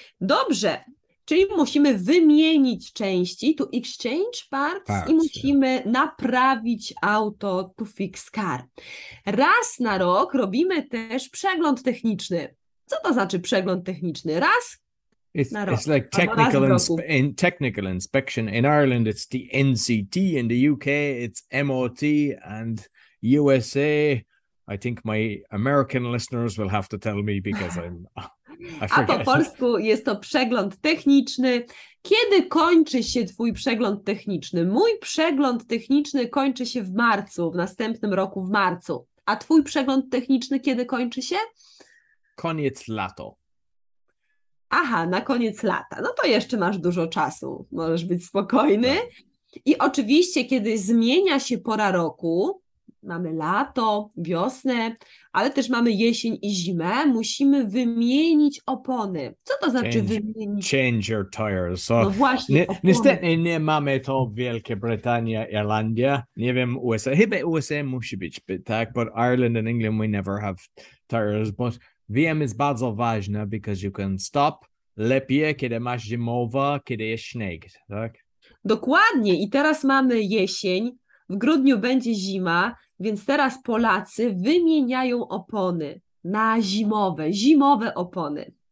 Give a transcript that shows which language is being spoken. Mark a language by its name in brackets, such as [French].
[Polish] Dobrze, czyli musimy wymienić części, to [English] exchange parts [Polish] i musimy naprawić auto, to [English] fix car. [Polish] Raz na rok robimy też przegląd techniczny. Co to znaczy przegląd techniczny? Raz [English] it's, [Polish] na rok. [English] It's like technical, technical inspection. In Ireland it's the NCT, in the UK it's MOT, and USA, I think my American listeners will have to tell me because I'm... [Polish] A po polsku jest to przegląd techniczny. Kiedy kończy się twój przegląd techniczny? Mój przegląd techniczny kończy się w marcu, w następnym roku w marcu. A twój przegląd techniczny kiedy kończy się? Koniec lata. Aha, na koniec lata. No to jeszcze masz dużo czasu. Możesz być spokojny. Tak. I oczywiście, kiedy zmienia się pora roku... Mamy lato, wiosnę, ale też mamy jesień i zimę. Musimy wymienić opony. Co to znaczy wymienić? [English] Change your tires. So, [Polish] no właśnie, opony. Niestety nie mamy to w Wielkiej Brytanii, Irlandia. Nie wiem, USA. Chyba USA musi być, tak? [English] But Ireland and England, we never have tires. But [Polish] wiem, jest bardzo ważne, [English] because you can stop [Polish] lepiej, kiedy masz zimowa, kiedy jest śnieg, tak? Dokładnie. I teraz mamy jesień. W grudniu będzie zima, więc teraz Polacy wymieniają opony na zimowe, zimowe opony.